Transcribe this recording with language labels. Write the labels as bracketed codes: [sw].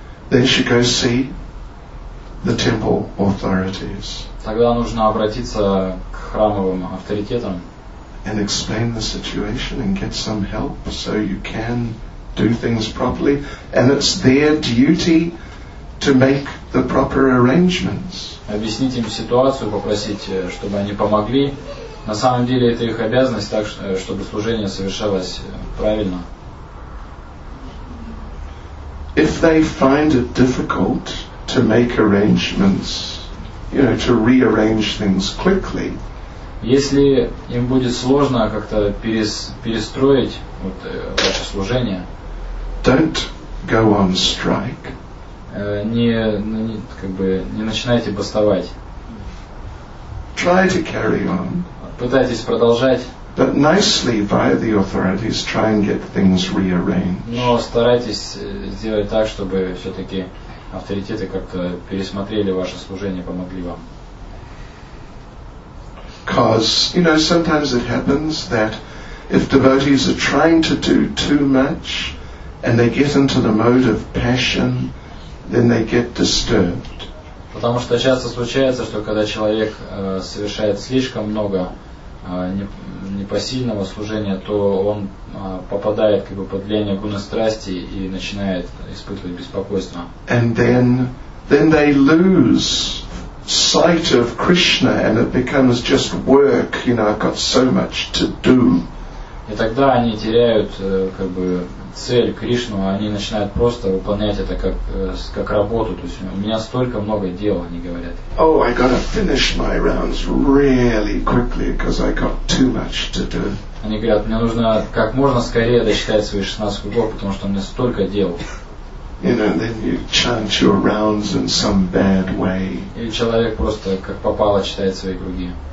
[en] Then you should go see the temple authorities. [ru] Тогда нужно обратиться к храмовым авторитетам. [en] And explain the situation and get some help so you can do things properly. And it's their duty to make the proper arrangements. [ru] Объяснить им ситуацию, попросить, чтобы они помогли. На самом деле это их обязанность, так чтобы служение совершалось правильно. [en] If they find it difficult to make arrangements, you know, to rearrange things quickly. [ru] Если им будет сложно как-то перестроить вот ваше служение, [en] don't go on strike. [ru] Не начинайте бастовать. [en] Try to carry on. [ru] Пытайтесь продолжать. [en] But nicely via the authorities try and get things rearranged. [ru] Но старайтесь сделать так, чтобы все-таки авторитеты как-то пересмотрели ваше служение, помогли вам. [en] Because, you know, sometimes it happens that if devotees are trying to do too much and they get into the mode of passion, then they get disturbed. [ru] Потому что часто случается, что когда человек совершает слишком много непосильного служения, то он попадает под влияние гуны страсти и начинает испытывать беспокойство. [en] And then they lose sight of Krishna and it becomes just work, you know, I've got so much to do. [ru] И тогда они теряют цель Кришну, они начинают просто выполнять это как работу. То есть у меня столько много дел, они говорят. [en] Oh, I gotta finish my rounds really quickly because I got too much to do. [ru] Они говорят, мне нужно как можно скорее досчитать свои 16 кругов, потому что у меня столько дел. [en] You know, then you chant your rounds in some bad way. [ru] И человек просто как попало читает свои круги.